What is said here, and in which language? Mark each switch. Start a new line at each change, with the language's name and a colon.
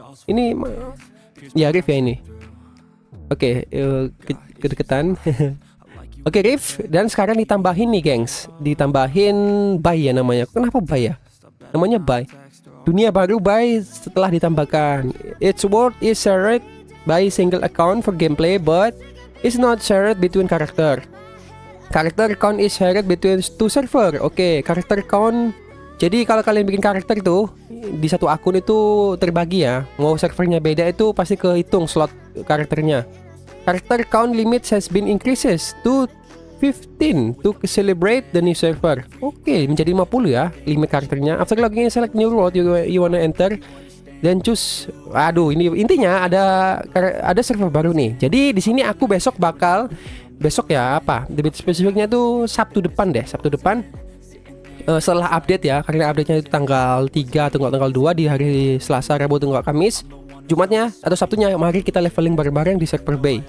Indonesian: Ini ya Rift ya ini. Oke, kedekatan. Oke, Rift. Dan sekarang ditambahin nih gengs. Ditambahin Bay ya namanya. Kenapa Bay ya? Namanya Bay. Dunia baru Bay setelah ditambahkan.
English: Its world is shared by single account for gameplay, but it's not shared between character. Character count is shared between two server. Oke, character count.
Indonesian: Jadi kalau kalian bikin karakter tuh di satu akun itu terbagi ya. Mau servernya beda itu pasti kehitung slot karakternya.
English: Character count limit has been increases to 15 to celebrate the new server.
Indonesian: Oke, menjadi 50 ya limit karakternya.
English: After logging in, select new world you wanna enter, then choose.
Indonesian: Aduh, ini intinya ada server baru nih. Jadi di sini aku besok bakal, besok ya apa, lebih spesifiknya tuh Sabtu depan setelah update ya, karena update-nya itu tanggal 3 atau enggak tanggal 2 di hari Selasa, Rabu atau enggak Kamis, Jumatnya atau Sabtunya, mari kita leveling bareng-bareng di server Bay.